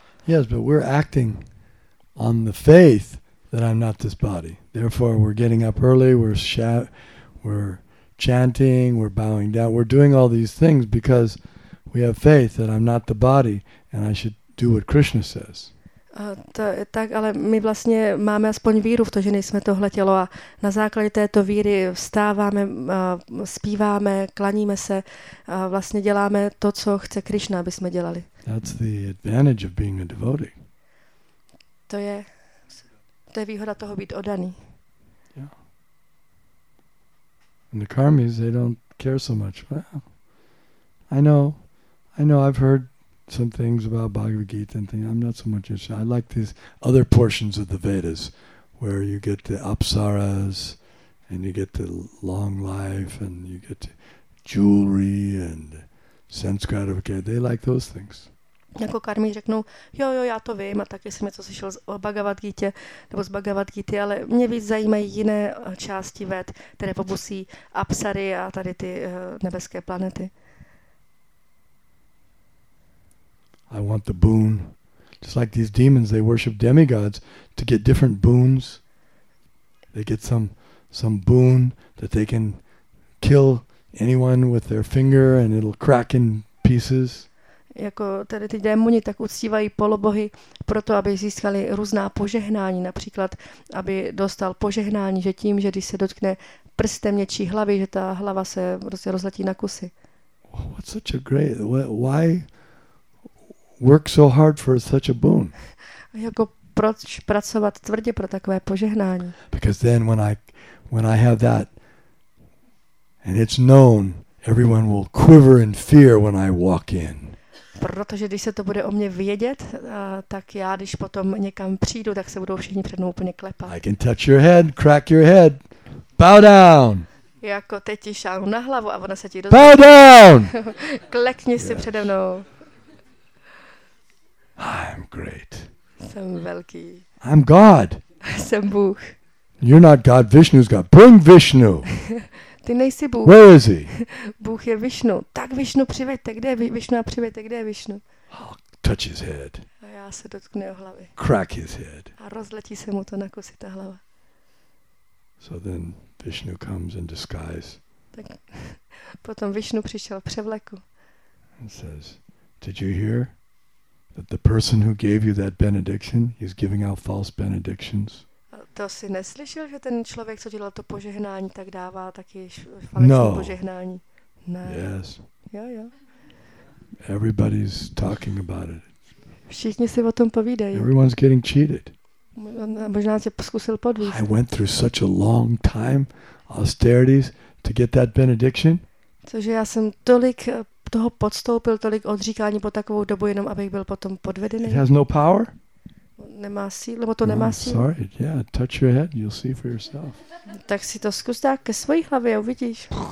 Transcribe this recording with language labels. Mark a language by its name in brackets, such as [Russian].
[English] Yes, but we're acting on the faith that I'm not this body. Therefore, we're getting up early, we're chanting, we're bowing down, we're doing all these things because we have faith that I'm not the body and I should do what Krishna says. [Czech] Tak, ale my vlastně máme aspoň víru v to, že nejsme tohle tělo a na základě této víry vstáváme, zpíváme, klaníme se a vlastně děláme to, co chce Krishna, aby jsme dělali. [English] That's the advantage of being a devotee. [Czech] To je výhoda toho být oddaný. [English] Yeah. And the karmis, they don't care so much. Well, I know, I've heard some things about Bhagavad Gita and things. I'm not so much interested. I like these other portions of the Vedas where you get the apsaras and you get the long life and you get jewelry and sense gratification. They like those things. [Czech] Jako karmi řeknou, jo, já to vím, a taky jsem něco slyšel o Bhagavad Gita nebo z Bhagavad Gita, ale mě víc zajímají jiné části Ved, které popusí apsary a tady ty nebeské planety. [English] I want the boon. Just like these demons, they worship demigods to get different boons. They get some boon that they can kill anyone with their finger and it'll crack in pieces. [Czech] Jako tady ty démoni tak uctívají polobohy proto, aby získali různá požehnání, například, aby dostal požehnání, že tím, že když se dotkne prstem něčí hlavy, že ta hlava se prostě rozletí na kusy. [English] What's such a great... Why... Work so hard for such a boon. [Czech] Jako proč pracovat tvrdě pro takové požehnání? [English] Because then when I have that and it's known, everyone will quiver in fear when I walk in. [Czech] Protože když se to bude o mě vědět, tak já když potom někam přijdu, tak se budou všichni před mnou úplně klepat. [English] I can touch your head, crack your head. Bow down. [Czech] Jako teď ti šáhnu na hlavu a ona se ti dozví. [English] Bow down. [Czech] Klekni si přede mnou. [English] I'm great. [Czech] Jsem velký. [English] I'm God. [Czech] Jsem Bůh. [English] You're not God. Vishnu's God. Bring Vishnu. [Czech] Ty nejsi Bůh. [English] Where is he? [Czech] Bůh je Vishnu. Tak Vishnu přivejte. Kde je Vishnu a přivejte? Kde je Vishnu? [English] I'll touch his head. [Czech] A já se dotknu jeho hlavy. [English] Crack his head. [Czech] A rozletí se mu to na kusy ta hlava. [English] So then Vishnu comes in disguise. [Czech] Tak potom Vishnu přišel v převleku. [English] And says, did you hear? That the person who gave you that benediction is giving out false benedictions. [Czech] To jsi neslyšel, že ten člověk, co dělal to požehnání, tak dává taky falešné požehnání. Ne. [English] Yes. [Czech] Jo. [English] Everybody's talking about it. [Czech] Všichni si o tom povídají. [English] Everyone's getting cheated. [Czech] Možná se zkusil podvíst. [English] I went through such a long time austerities to get that benediction. [Czech] Cože já jsem tolik toho podstoupil, tolik odříkání po takovou dobu, jenom abych byl potom podvedený. [English] It has no power? [Czech] Nemá sílu, nebo to nemá sílu. [English] Sorry, yeah, touch your head, you'll see for yourself. [Czech] Tak si to zkus dát ke svojí hlavě a uvidíš.